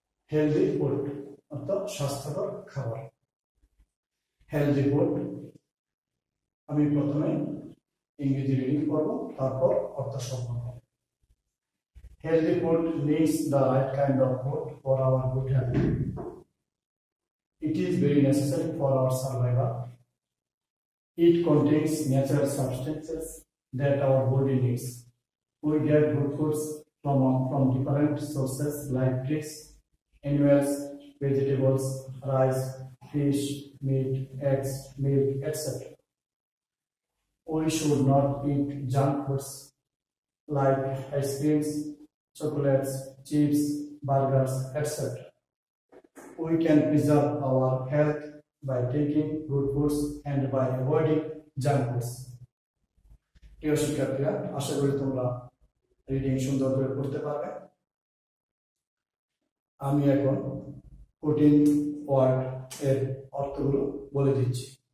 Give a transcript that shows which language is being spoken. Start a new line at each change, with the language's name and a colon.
Bangla: Healthy food অর্থাৎ স্বাস্থ্যকর খাবার। হেলদি ফুড, আমি প্রথমে ইংরেজি রিডিং করব, তারপর অর্থ সম্পর্ক।
English: Healthy food means the right kind of food for our good health. It is very necessary for our survival. It contains natural substances that our body needs. We get good foods from different sources like trees, animals, vegetables, rice, fish, meat, eggs, milk, etc. We should not eat junk foods like ice creams, chocolates, chips, burgers, etc. We can preserve our health by taking good foods and by avoiding junk foods.
Bangla: প্রিয় শিক্ষার্থীরা, আশা করি তোমরা reading সুন্দর করে পড়তে পারবে। আমি এখন কঠিন ওয়ার্ড এর অর্থগুলো বলে দিচ্ছি।